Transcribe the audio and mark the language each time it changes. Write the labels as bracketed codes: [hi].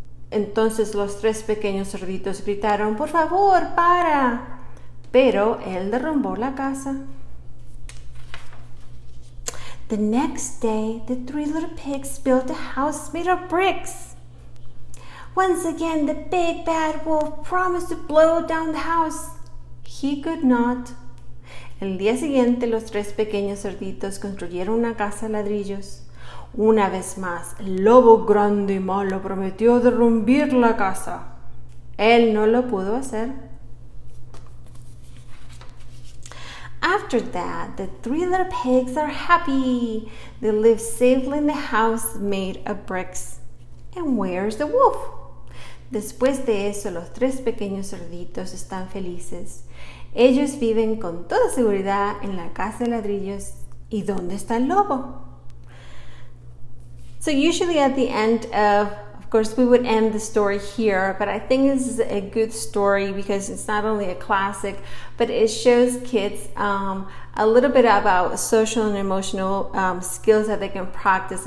[es] Entonces los tres pequeños cerditos gritaron, por favor, para. Pero él derrumbó la casa. [en] The next day, the three little pigs built a house made of bricks. Once again, the big bad wolf promised to blow down the house. He could not. [es] El día siguiente, los tres pequeños cerditos construyeron una casa de ladrillos. Una vez más, el lobo grande y malo prometió derrumbar la casa. Él no lo pudo hacer. [en] After that, the three little pigs are happy. They live safely in the house made of bricks. And where's the wolf? [es] Después de eso, los tres pequeños cerditos están felices. Ellos viven con toda seguridad en la casa de ladrillos. ¿Y dónde está el lobo? [en] So usually at the end of course, we would end the story here, but I think this is a good story because it's not only a classic, but it shows kids a little bit about social and emotional skills that they can practice.